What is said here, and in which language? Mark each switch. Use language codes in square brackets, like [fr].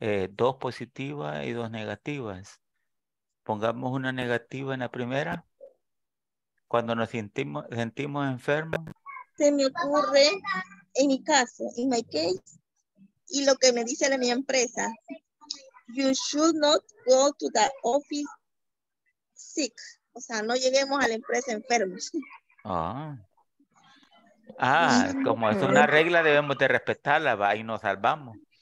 [es] Dos positivas y dos negativas. Pongamos una negativa en la primera. Cuando nos sentimos enfermos. Se me ocurre en mi caso, [en] in my case, [es] y lo que me dice la mi empresa. [en] You should not go to the office sick. [es] O sea, no lleguemos a la empresa enfermos. Oh. Ah, como es una regla, debemos de respetarla, va, y nos salvamos.